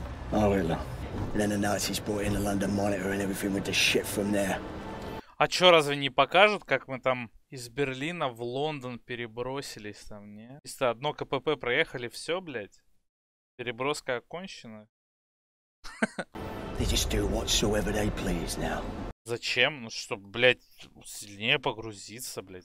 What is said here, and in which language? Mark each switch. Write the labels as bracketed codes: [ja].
[en] Then the Nazis brought in the London Monitor and everything with the shit from there. [ru] А чё, разве не покажут, как мы там из Берлина в Лондон перебросились там, не? Чисто одно КПП проехали, всё, блядь. Переброска окончена. [en] They just do whatsoever they please now. [ru] Зачем? Ну что, блядь, сильнее погрузиться, блядь.